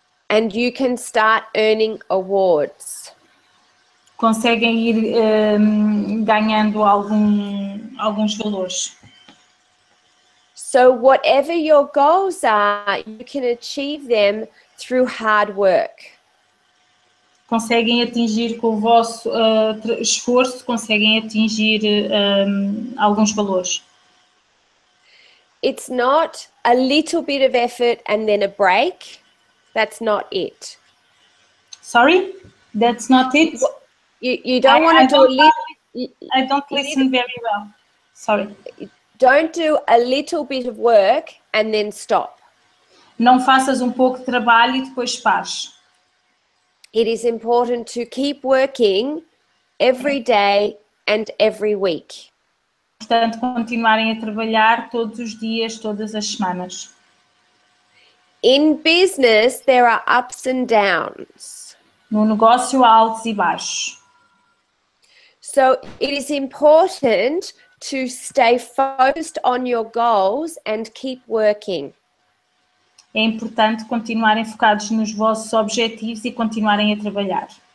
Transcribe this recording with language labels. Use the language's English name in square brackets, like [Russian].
[English] And you can start earning awards. [Portuguese] Conseguem ir ganhando alguns valores. [English] So whatever your goals are, you can achieve them through hard work. [Portuguese] Conseguem atingir com o vosso esforço, conseguem atingir alguns valores. [English] It's not a little bit of effort and then a break. That's not it. Sorry? That's not it? You don't want to do a little... I don't listen very well. Sorry. Don't do a little bit of work and then stop. [Portuguese] Não faças pouco de trabalho e depois pares. [English] It is important to keep working every day and every week. [Portuguese] Portanto, continuarem a trabalhar todos os dias, todas as semanas. [English] In business, there are ups and downs. [Portuguese] No negócio, há altos e baixos. [English] So it is important to stay focused on your goals and keep working. [Portuguese] É importante continuarem focados nos vossos objetivos e continuarem a trabalhar.